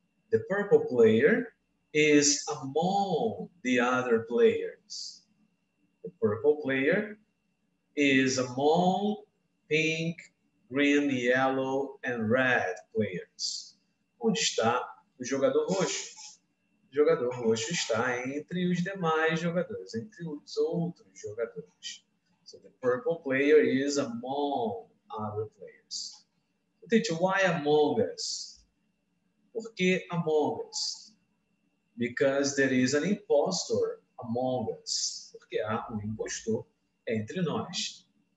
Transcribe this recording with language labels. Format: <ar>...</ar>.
<en>The purple player is among the other players. The purple player is among pink, green, yellow, and red players.</en> <pt>Onde está o jogador roxo? O jogador roxo está entre os demais jogadores, entre os outros jogadores.</pt> <en>So the purple player is among other players. Teacher, why Among Us?</en> <pt>Por que Among Us?</pt> <en>Because there is an impostor among us.</en> <pt>Porque há impostor entre nós.</pt>